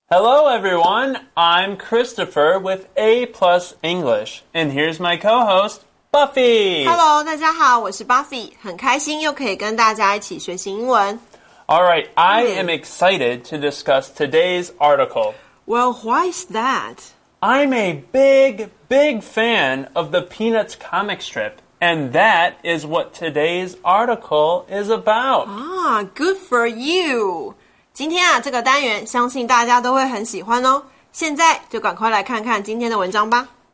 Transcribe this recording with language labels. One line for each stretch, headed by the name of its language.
English: Hello everyone, I'm Christopher with A Plus English, and here's my co-host, Buffy!
Chinese: Hello, 大家好,我是 Buffy, 很开心又可以跟大家一起学习英文。
English: Alright, I am excited to discuss today's article. Well, why is that? I'm a big, big fan of the Peanuts comic strip, and that is what today's article is about. Ah, good for you!
Chinese: 今天啊，这个单元相信大家都会很喜欢哦。现在就赶快来看看今天的文章吧。